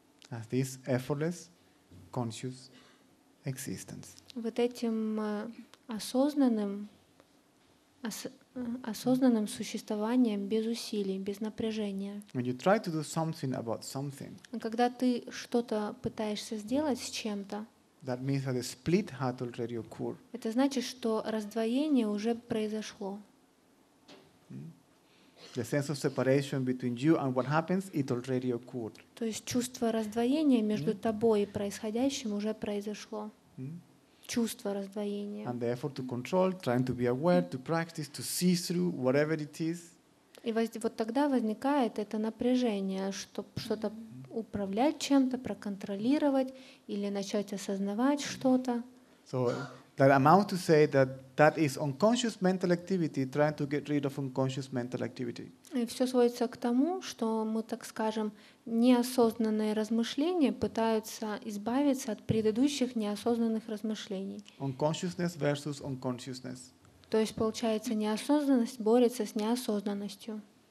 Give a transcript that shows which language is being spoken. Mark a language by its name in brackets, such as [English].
[English] As this effortless conscious existence. [Russian] Вот этим осознанным существованием без усилий, без напряжения. [English] When you try to do something about something, [Russian] когда ты что-то пытаешься сделать с чем-то, [English] that means that a split had already occurred. [Russian] Это значит, что раздвоение уже произошло. [English] The sense of separation between you and what happens, it already occurred. [Russian] То есть чувство раздвоения между тобой и происходящим уже произошло. Чувство раздвоения. [English] And the effort to control, trying to be aware, to practice, to see through whatever it is. [Russian] И вот тогда возникает это напряжение, чтобы что-то управлять чем-то, проконтролировать или начать осознавать что-то. [English] So that amounts to say that that is unconscious mental activity, trying to get rid of unconscious mental activity. [Russian] И все сводится к тому, что мы, так скажем, неосознанные размышления пытаются избавиться от предыдущих неосознанных размышлений. [English] Unconsciousness versus unconsciousness. [Russian] То есть, получается, неосознанность борется с неосознанностью.